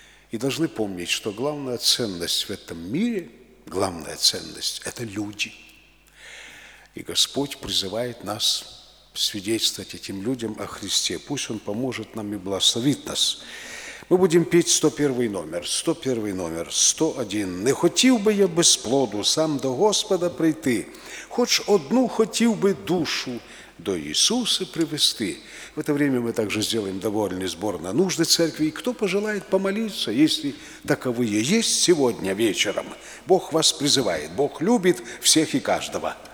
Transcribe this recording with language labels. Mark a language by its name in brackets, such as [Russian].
[Russian] И должны помнить, что главная ценность в этом мире – главная ценность – это люди. И Господь призывает нас свидетельствовать этим людям о Христе. Пусть Он поможет нам и благословит нас. Мы будем петь 101 номер, 101 номер, 101. [Ukrainian] «Не хотів би я без плоду сам до Господа прийти, хоч одну хотів би душу до Иисуса привести». [Russian] В это время мы также сделаем добровольный сбор на нужды церкви. И кто пожелает помолиться, если таковые есть сегодня вечером, Бог вас призывает, Бог любит всех и каждого.